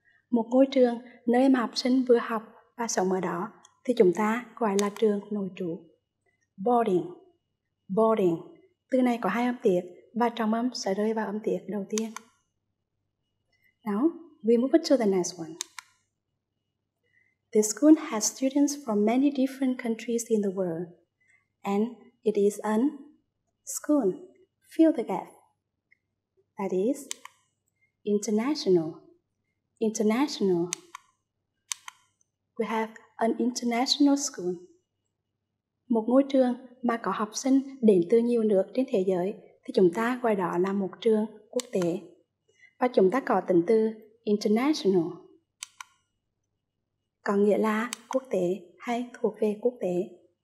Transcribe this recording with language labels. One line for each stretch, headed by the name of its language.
Vietnamese: Một ngôi trường nơi mà học sinh vừa học và sống ở đó thì chúng ta gọi là trường nội trú. Boarding. Boarding. Từ này có hai âm tiết và trọng âm sẽ rơi vào âm tiết đầu tiên.
English: Now, we move to the next one. The school has students from many different countries in the world, and it is an school, fill the gap, that is, international, international. We have an international school.
Vietnamese: Một ngôi trường mà có học sinh đến từ nhiều nước trên thế giới thì chúng ta gọi đó là một trường quốc tế. Và chúng ta có tính từ international, có nghĩa là quốc tế hay thuộc về quốc tế.